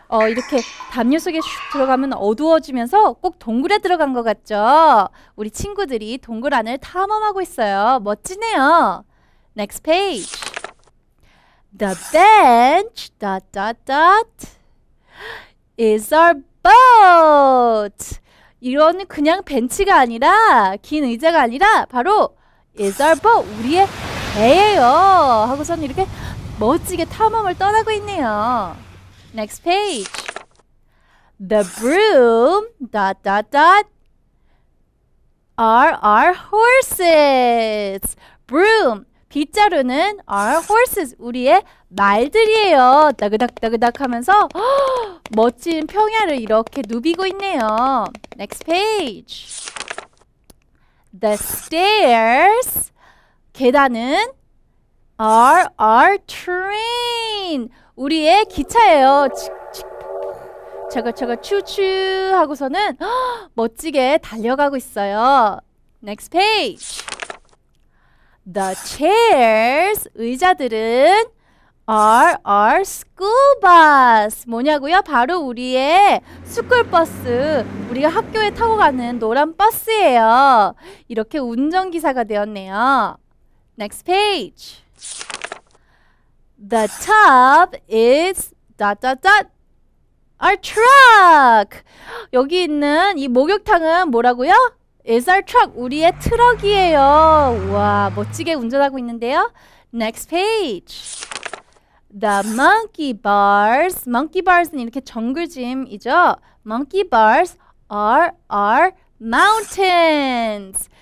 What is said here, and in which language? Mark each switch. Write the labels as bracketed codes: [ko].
[ko] 이렇게 담요 속에 슉 들어가면 어두워지면서 꼭 동굴에 들어간 것 같죠? 우리 친구들이 동굴 안을 탐험하고 있어요. 멋지네요. [en] Next page. The bench, dot, dot, dot, is our boat. [ko] 이런 그냥 벤치가 아니라, 긴 의자가 아니라, 바로 [en] is our boat, [ko] 우리의 배예요. 하고선 이렇게 멋지게 탐험을 떠나고 있네요. [en] Next page. The broom, dot, dot, dot, are our horses. Broom. [ko] 빗자루는 [en] our horses, [ko] 우리의 말들이에요. 따그닥따그닥 하면서 멋진 평야를 이렇게 누비고 있네요. [en] Next page. The stairs, [ko] 계단은 [en] are our train, [ko] 우리의 기차예요. 차가차가 추추 하고서는 멋지게 달려가고 있어요. [en] Next page. The chairs, [ko] 의자들은 [en] are our school bus. [ko] 뭐냐고요? 바로 우리의 스쿨버스, 우리가 학교에 타고 가는 노란 버스예요. 이렇게 운전기사가 되었네요. [en] Next page. The top is dot dot dot our truck. [ko] 여기 있는 이 목욕탕은 뭐라고요? [en] Is our truck, [ko] 우리의 트럭이에요. 우와, 멋지게 운전하고 있는데요. [en] Next page. The monkey bars. Monkey bars는 [ko] 이렇게 정글짐이죠. [en] Monkey bars are our mountains.